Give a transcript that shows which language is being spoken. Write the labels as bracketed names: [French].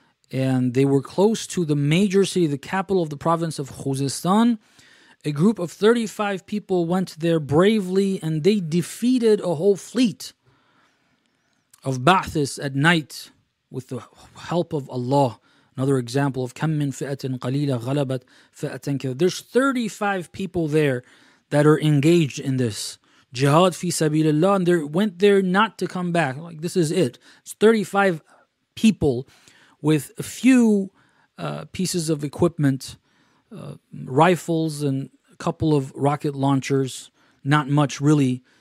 [English] And they were close to the major city, the capital of the province of Khuzestan. A group of 35 people went there bravely, and they defeated a whole fleet of Ba'athists at night with the help of Allah. Another example of [Arabic] كَمْ مِنْ فِئَةٍ قَلِيلَ غَلَبَتْ فِئَةً كَذَا. [English] There's 35 people there that are engaged in this jihad fi sabilillah, and they went there not to come back. Like, this is it. It's 35 people with a few pieces of equipment, rifles and a couple of rocket launchers, not much really.